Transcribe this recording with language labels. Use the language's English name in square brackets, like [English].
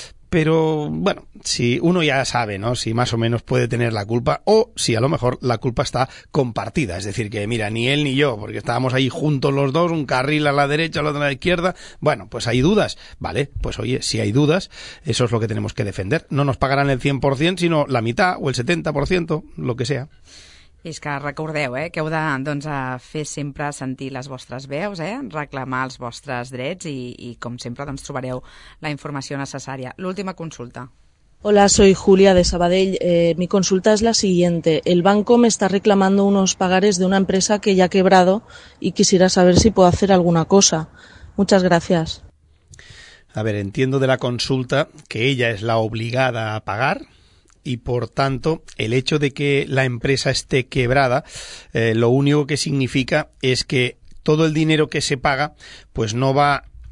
[Spanish] Pero, bueno, si uno ya sabe, ¿no?, si más o menos puede tener la culpa o si a lo mejor la culpa está compartida. Es decir, que mira, ni él ni yo, porque estábamos ahí juntos los dos, un carril a la derecha, el otro a la izquierda. Bueno, pues hay dudas, ¿vale? Pues oye, si hay dudas, eso es lo que tenemos que defender. No nos pagarán el 100%, sino la mitad o el 70%, lo que sea. [Catalan] És que recordeu, que heu de doncs, fer sempre sentir les vostres veus, reclamar els vostres drets i com sempre, doncs, trobareu la informació necessària. L'última consulta. [Spanish] Hola, soy Julia de Sabadell. Mi consulta es la siguiente. El banco me está reclamando unos pagares de una empresa que ya ha quebrado y quisiera saber si puedo hacer alguna cosa. Muchas gracias. A ver, entiendo de la consulta que ella es la obligada a pagar y, por tanto, el hecho de que la empresa esté quebrada, lo único que significa es que todo el dinero que se paga, pues no va